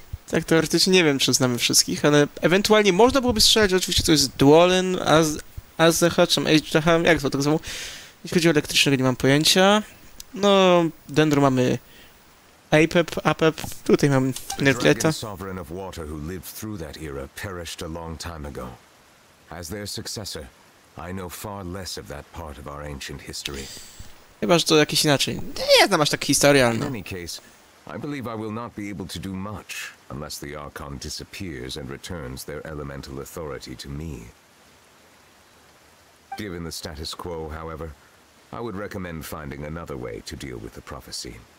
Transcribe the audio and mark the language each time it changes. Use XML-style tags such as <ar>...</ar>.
<pl>Tak, teoretycznie nie wiem, czy znamy wszystkich, ale ewentualnie można byłoby strzelać, oczywiście to jest Dwolin, Azahachem, Ejdrahem, jak to tak samo? Jeśli chodzi o elektrycznego, nie mam pojęcia. No, Dendro mamy... Apep, tutaj mam Nerdleta.</pl> <en>The dragon sovereign of water who lived through that era perished a long time ago. As their successor, I know far less of that part of our ancient history.</en> <pl>Chyba, że to jakieś inaczej. Nie znam aż tak historii, ale...</pl> <en>In any case, I believe I will not be able to do much unless the Archon disappears and returns their elemental authority to me. Given the status quo, however, I would recommend finding another way to deal with the prophecy.</en>